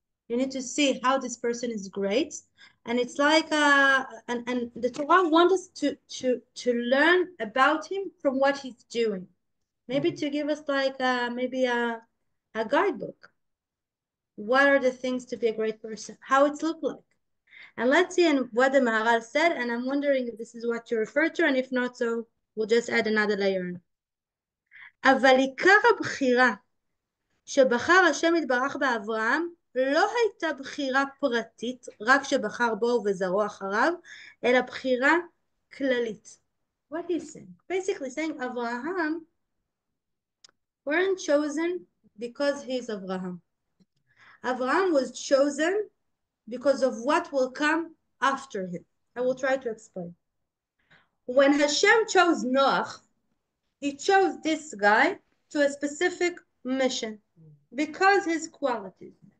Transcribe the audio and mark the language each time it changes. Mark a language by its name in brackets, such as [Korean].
[English] You need to see how this person is great. And it's like, and the Torah wants us to learn about him from what he's doing. Maybe to give us like a guidebook. What are the things to be a great person? How it's look like? And let's see what the Maharal said, and I'm wondering if this is what you refer to, and if not, so we'll just add another layer in. [Hebrew] אבל עיקר הבחירה שבחר השם יתברך באברהם לא הייתה בחירה פרטית, רק שבחר בו וזרוע אחריו, אלא בחירה כללית. [English] What he's saying? Basically saying Avraham weren't chosen because he's Avraham. Avraham was chosen because of what will come after him. I will try to explain. When Hashem chose Noach, he chose this guy to a specific mission because his qualities.